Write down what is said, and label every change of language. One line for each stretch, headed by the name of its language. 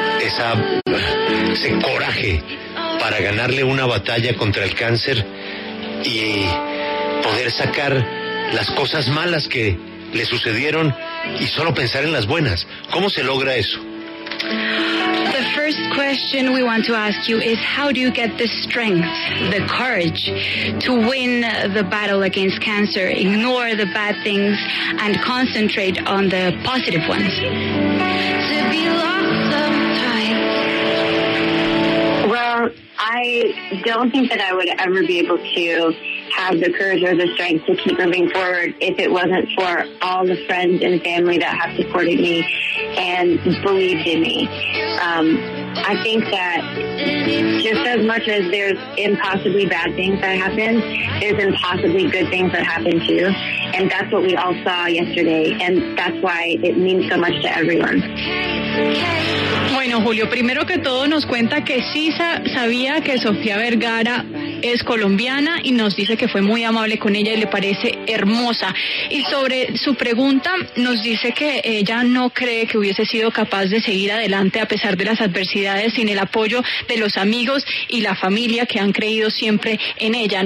Spanish: Ese coraje para ganarle una batalla contra el cáncer y poder sacar las cosas malas que le sucedieron y solo pensar en las buenas. ¿Cómo se logra eso?
English: First question we want to ask you is, how do you get the strength, the courage to win the battle against cancer, ignore the bad things and concentrate on the positive ones? To be lost sometimes. Well, I don't think that I would ever be able to have the courage or the strength to keep moving forward if it wasn't for all the friends and family that have supported me and believed in me. I think that just as much as there's impossibly bad things that happen, there's impossibly good things that happen too. And that's what we all saw yesterday. And that's why it means so much to everyone.
Spanish: Bueno, Julio, primero que todo nos cuenta que sí sabía que Sofía Vergara es colombiana y nos dice que fue muy amable con ella y le parece hermosa. Y sobre su pregunta, nos dice que ella no cree que hubiese sido capaz de seguir adelante a pesar de las adversidades sin el apoyo de los amigos y la familia que han creído siempre en ella.